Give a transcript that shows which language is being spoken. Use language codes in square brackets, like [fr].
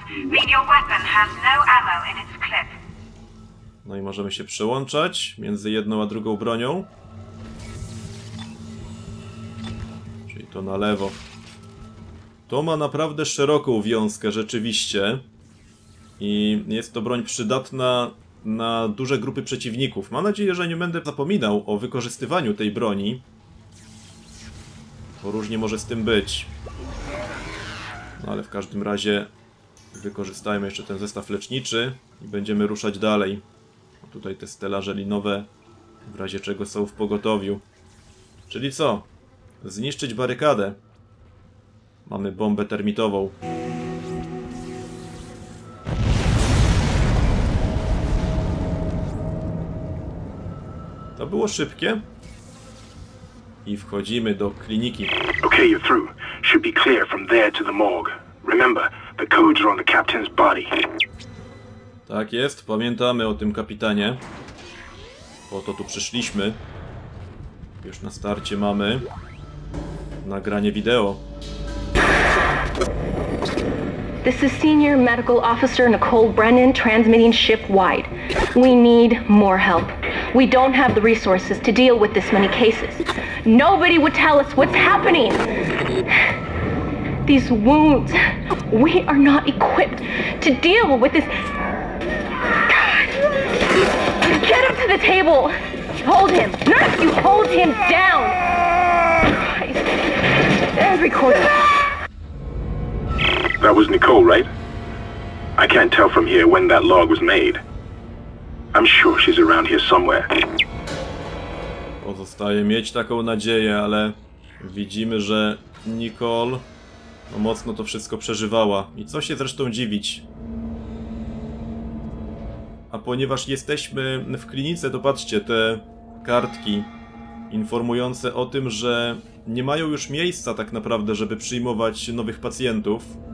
[en] Mean your weapon has no ammo in its clip. [pl] No i możemy się przełączać między jedną a drugą bronią. Czyli to na lewo. To ma naprawdę szeroką wiązkę, rzeczywiście. I jest to broń przydatna na duże grupy przeciwników. Mam nadzieję, że nie będę zapominał o wykorzystywaniu tej broni. Bo różnie może z tym być. No ale w każdym razie wykorzystajmy jeszcze ten zestaw leczniczy i będziemy ruszać dalej. Tutaj te stelaże linowe w razie czego są w pogotowiu. Czyli co? Zniszczyć barykadę. Mamy bombę termitową. To było szybkie. I wchodzimy do kliniki. [en] Okay, you're through. Should be clear from there to the morgue. Remember, the codes are on the captain's body. [pl] Tak jest, pamiętamy o tym kapitanie. Po to tu przyszliśmy. Już na starcie mamy nagranie wideo. [en] This is Senior Medical Officer Nicole Brennan transmitting ship-wide. We need more help. We don't have the resources to deal with this many cases. Nobody would tell us what's happening. These wounds. We are not equipped to deal with this. God! Get him to the table! Hold him! Nurse, you hold him down! Every corner. That was Nicole, right? I can't tell from here when that log was made. I'm sure she's around here somewhere. [pl] Pozostaje mieć taką nadzieję, ale widzimy, że Nicole mocno to wszystko przeżywała. I co się zresztą dziwić? A ponieważ jesteśmy w klinice, to patrzcie, te kartki informujące o tym, że nie mają już miejsca tak naprawdę, żeby przyjmować nowych pacjentów.